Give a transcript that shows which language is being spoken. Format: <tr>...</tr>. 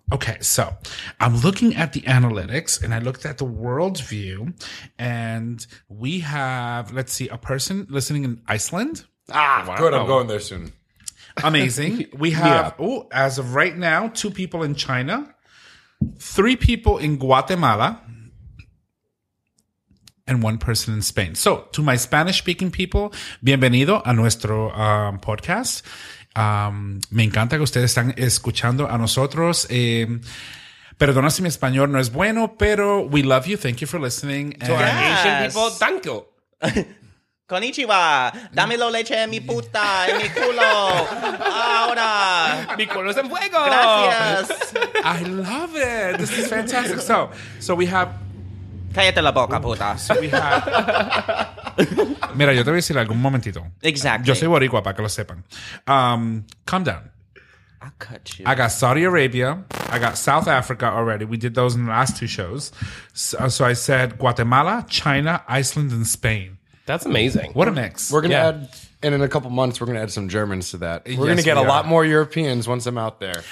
<en>Okay, so I'm looking at the analytics, and I looked at the world view, and we have, let's see, a person listening in Iceland. Ah, wow. Good. I'm going there soon. Amazing. We have, as of right now, 2 people in China, 3 people in Guatemala, and 1 person in Spain. So to my Spanish-speaking people,</en> <es>bienvenido a nuestro podcast. Me encanta que ustedes están escuchando a nosotros. Perdona si mi español no es bueno, pero</es> <en>we love you. Thank you for listening. To our Asian people, thank you.</en> <ja>Konnichiwa.</ja> <es>Dame lo leche en mi puta, en mi culo. Ahora. Mi culo es en fuego. Gracias.</es> <en>I love it. This is fantastic. So we have...</en> <es>Cállate la boca, puta.</es> <en>So we have...</en> <es>Mira, yo te voy a decir algún momentito.</es> <en>Exactly.</en> <es>Yo soy boricua, para que lo sepan.</es> <en>Calm down. I'll cut you. I got Saudi Arabia. I got South Africa already. We did those in the last 2 shows. So I said Guatemala, China, Iceland, and Spain. That's amazing. What a mix. We're going to add, and in a couple months, we're going to add some Germans to that. We're going to get a lot more Europeans once I'm out there.</en>